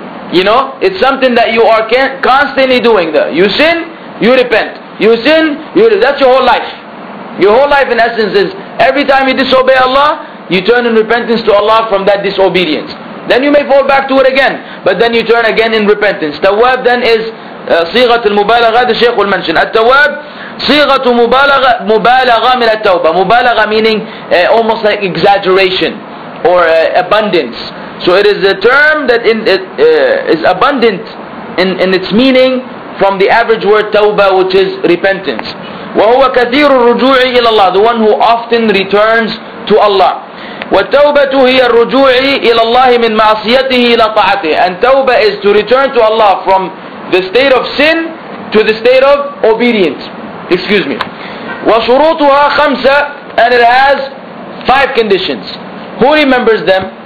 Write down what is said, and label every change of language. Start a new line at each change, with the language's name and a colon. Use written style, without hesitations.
English: You know, it's something that you are constantly doing. You sin, you repent. You sin, that's your whole life. Your whole life in essence is, every time you disobey Allah, you turn in repentance to Allah from that disobedience. Then you may fall back to it again, but then you turn again in repentance. Tawwab then is
Arabic: صيغة المبالغة,
English: the Shaykh will mention.
Arabic: التواب صيغة مبالغة, مبالغة من التوبة.
English: مبالغة meaning almost like exaggeration or abundance. So it is a term that is abundant in its meaning from the average word توبة, which is repentance.
Arabic: وهو كثير الرجوع إلى الله,
English: the one who often returns to Allah.
Arabic: والتوبة هي الرجوع إلى الله من معصيته إلى طاعته.
English: And توبة is to return to Allah from the state of sin to the state of obedience. Excuse me.
Arabic: وشروطها خمسة,
English: and it has five conditions. Who remembers them?